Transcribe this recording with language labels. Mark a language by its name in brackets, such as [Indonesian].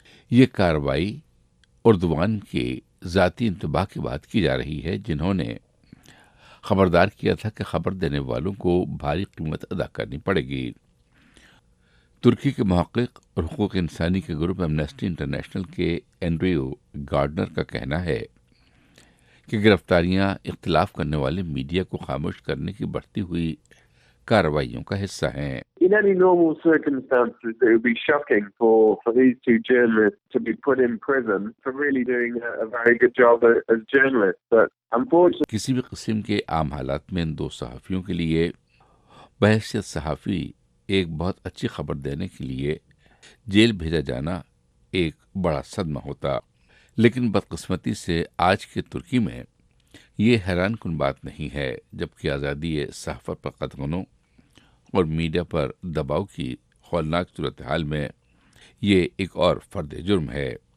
[Urdu] یہ کاروائی اردوان کے ذاتی انتباہ کے بعد کی جا رہی ہے جنہوں نے خبردار کیا تھا کہ خبر دینے والوں کو بھاری قیمت ادا کرنی پڑے گی. ترکی کے محقق اور حقوق انسانی کے گروپ ایمنیسٹی انٹرنیشنل کے اینڈریو گارڈنر کا کہنا ہے کہ گرفتاریاں اختلاف کرنے والے میڈیا کو خاموش کرنے کی بڑھتی ہوئی کاروائیوں کا حصہ ہیں. [English] In any normal circumstances, it would be shocking for these two journalists to be put in prison for really doing a very good job as journalists. But unfortunately, [Urdu] کسی بھی قسم کے عام حالات میں ان دو صحافیوں کے لیے بحیثیت صحافی ایک بہت اچھی خبر دینے کے لیے جیل بھیجا جانا ایک بڑا صدمہ ہوتا. لیکن بدقسمتی سے آج کے ترکی میں یہ حیران کن بات نہیں ہے جبکہ آزادی صحافت پر قدغنوں اور میڈیا پر دباؤ کی خولناک صورتحال میں یہ ایک اور فرد جرم ہے.